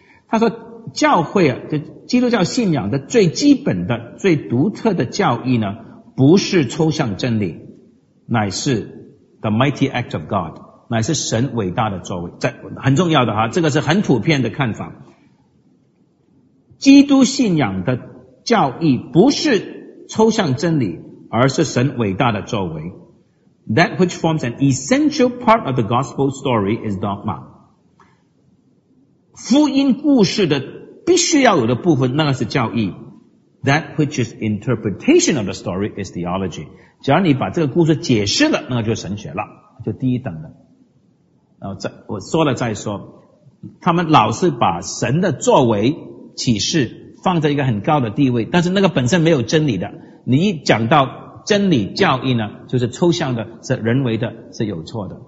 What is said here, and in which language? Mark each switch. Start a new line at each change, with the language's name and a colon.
Chinese: 他说教会啊，就基督教信仰的最基本的最独特的教义呢，不是抽象真理，乃是
English: the mighty act of God，
Chinese: 乃是神伟大的作为。很重要的哈，这个是很普遍的看法。基督信仰的教义不是抽象真理，而是神伟大的作为。
English: That which forms an essential part of the gospel story is dogma。
Chinese: 福音故事的必须要有的部分，那个是教义。
English: That which is interpretation of the story is theology。
Chinese: 只要你把这个故事解释了，那个就是神学了，就第一等的。我说了再说，他们老是把神的作为启示放在一个很高的地位，但是那个本身没有真理的。你一讲到真理教义呢，就是抽象的，是人为的，是有错的。